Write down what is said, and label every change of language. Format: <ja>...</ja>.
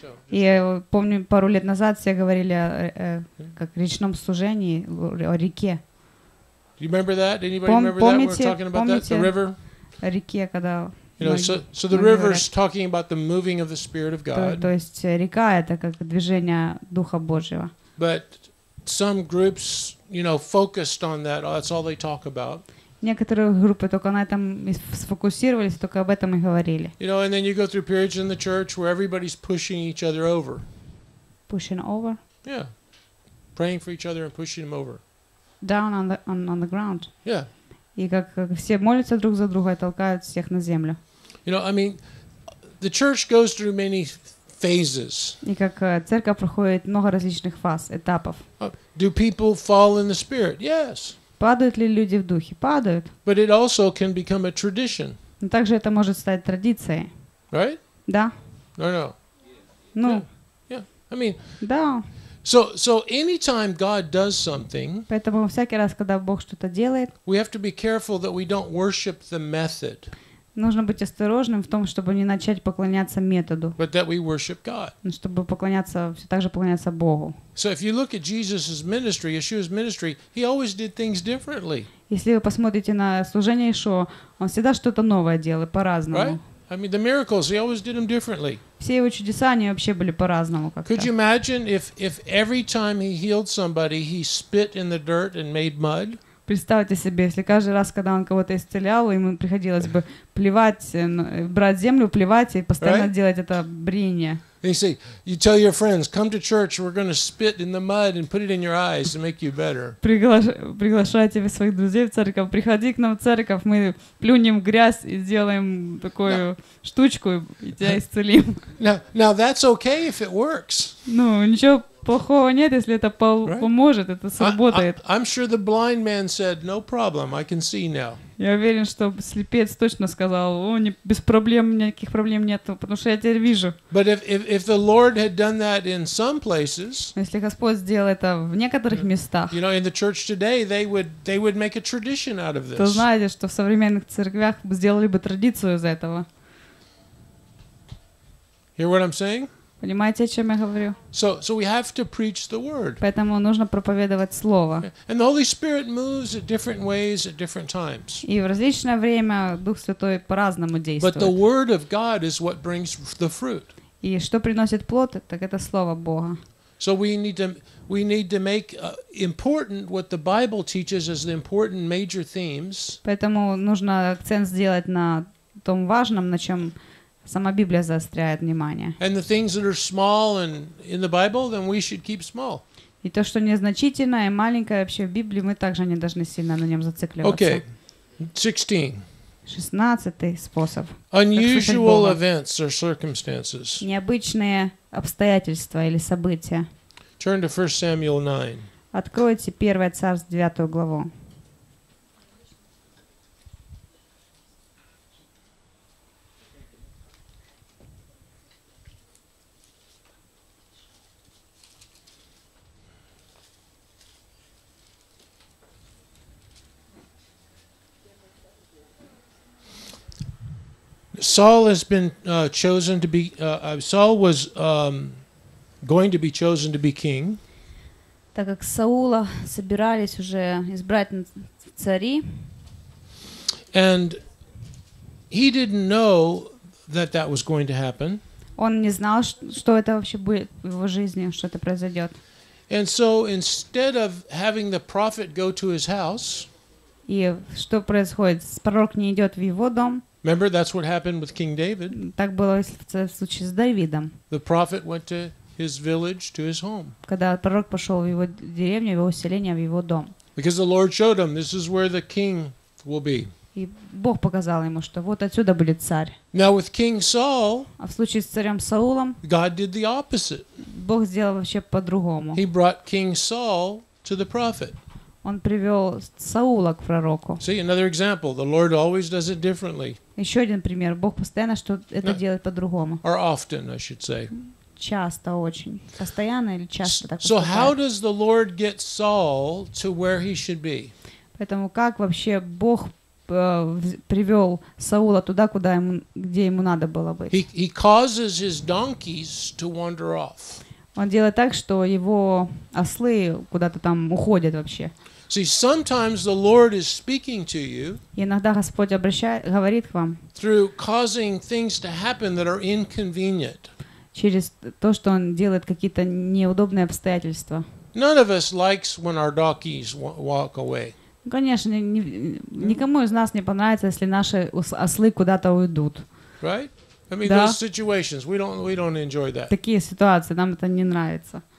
<ru>I помню, пару лет назад все говорили о как речном сужении, о реке.</ru> <en>Do you remember that? Anybody remember that?</en> <ru>Помните,</ru> <en>we were talking about that, the river?</en> <ru>О реке, когда...</ru> <en>You know, so the river is talking about the moving of the Spirit of God.</en> <ru>То есть река это как движение Духа Божьего.</ru> <en>But some groups, you know, focused on that. That's all they talk about.</en> <ru>Некоторые группы только на этом сфокусировались, только об этом и говорили.</ru> <en>You know, and then you go through periods in the church where everybody's pushing each other over. Pushing over? Yeah. Praying for each other and pushing them over. Down on the on the ground. Yeah.</en> <ru>И как все молятся друг за друга и толкают всех на землю.</ru> <en>You know, I mean, the church goes through many phases.</en> <ru>И как церковь проходит много различных фаз, этапов.</ru> <en>Do people fall in the spirit? Yes.</en> <ru>Падают ли люди в духе? Падают.</ru> <en>But it also can become a tradition.</en> <ru>Но также это может стать традицией.</ru> <en>Right?</en> <ru>Да.</ru> <en>No, no.</en> <ru>Ну.</ru> <en>Yeah. I mean.</en> <ru>Да.</ru> <en>So anytime God does something,</en> <ru>поэтому всякий раз, когда Бог что-то делает,</ru> <en>we have to be careful that we don't worship the method.</en> <ru>Нужно быть осторожным в том, чтобы не начать поклоняться методу.</ru> <en>But that we worship God.</en> <ru>Чтобы поклоняться, все так же поклоняться Богу.</ru> <en>So if you look at Jesus's ministry, Yeshua's ministry, he always did things differently.</en> <ru>Если вы посмотрите на служение Иешуа, он всегда что-то новое делал по-разному.</ru> <en>Right? I mean, the miracles, he always did them differently.</en> <ru>Все его чудеса, они вообще были по-разному как-то.</ru> <en>Could you imagine if every time he healed somebody, he spit in the dirt and made mud?</en> <ru>Представьте себе, если каждый раз, когда он кого-то исцелял, ему приходилось бы плевать, брать землю, плевать и постоянно делать это брение.</ru> <en>And you say, you tell your friends, come to church, we're going to spit in the mud and put it in your eyes to make you better.</en> <ru>Приглашаю тебе своих друзей в церковь, приходи к нам в церковь, мы плюнем грязь и сделаем такую штучку и тебя исцелим.</ru> <en>Now that's okay if it works.</en> <ru>Ну, ничего плохого нет, если это поможет, это сработает.</ru> <en>I'm sure the blind man said, no problem, I can see now.</en> <ru>Я уверен, что слепец точно сказал, о, не, без проблем, никаких проблем нет, потому что я теперь вижу.</ru> <en>But if the Lord had done that in some places,</en> <ru>если Господь сделал это в некоторых местах,</ru> <en>you know, in the church today, they would make a tradition out of this.</en> <ru>То знаете, что в современных церквях сделали бы традицию из этого.</ru> <en>Hear what I'm saying?</en> <ru>Понимаете, о чем я говорю?</ru> <en>So we have to preach the word.</en> <ru>Поэтому нужно проповедовать слово.</ru> <en>And the Holy Spirit moves in different ways at different times.</en> <ru>И в различное время Дух Святой по-разному действует.</ru> <en>But the word of God is what brings the fruit.</en> <ru>И что приносит плод, так это слово Бога.</ru> <en>So we need to make important what the Bible teaches as the important major themes.</en> <ru>Поэтому нужно акцент сделать на том важном, на чем сама Библия заостряет внимание.</ru> <en>And the things that are small and in the Bible, then we should keep small.</en> <ru>И то, что незначительное и маленькое вообще в Библии, мы также не должны сильно на нем зацикливаться.</ru> <en>Okay. 16.</en> <ru>16-й способ.</ru> <en>Unusual events or circumstances.</en> <ru>Необычные обстоятельства или события.</ru> <en>Turn to 1 Samuel 9.</en> <ru>Откройте 1 Царств 9 главу.</ru> <en>Saul has been chosen to be Saul was going to be chosen to be king.</en> <ru>Так как Саула собирались уже избрать в цари.</ru> <en>And he didn't know that was going to happen.</en> <ru>Он не знал, что это вообще будет в его жизни, что это произойдёт.</ru> <en>And so instead of having the prophet go to his house,</en> <ru>и что происходит? Пророк не идёт в его дом.</ru> <en>Remember, that's what happened with King David.</en> <ru>Так было в случае с Давидом.</ru> <en>The prophet went to his village, to his home.</en> <ru>Когда пророк пошел в его деревню, в его селение, в его дом.</ru> <en>Because the Lord showed him, this is where the king will be.</en> <ru>И Бог показал ему, что вот отсюда будет царь.</ru> <en>Now with King Saul,</en> <ru>а в случае с царем Саулом,</ru> <en>God did the opposite.</en> <ru>Бог сделал вообще по-другому.</ru> <en>He brought King Saul to the prophet.</en> <ru>Он привел Саула к пророку.</ru> <en>See, another example. The Lord always does it differently.</en> <ru>Еще один пример. Бог постоянно что это делает по-другому.</ru> <en>Or often, I should say.</en> <ru>Часто очень. Постоянно или часто так поступает.</ru> <en>So how does the Lord get Saul to where he should be?</en> <ru>Поэтому как вообще Бог привел Саула туда, куда ему, где ему надо было быть?</ru> <en>He causes his donkeys to wander off.</en> <ru>Он делает так, что его ослы куда-то там уходят вообще.</ru> <en>See, sometimes the Lord is speaking to you.</en> <ru>Иногда Господь обращает, говорит к вам.</ru> <en>Through causing things to happen that are inconvenient.</en> <ru>Через то, что он делает какие-то неудобные обстоятельства.</ru> <en>None of us likes when our donkeys walk away.</en> <ru>Конечно, никому из нас не понравится, если наши ослы куда-то уйдут.</ru> <en>Right? I mean, those situations, we don't enjoy that.</en> <ru>Такие ситуации, нам это не нравится.</ru>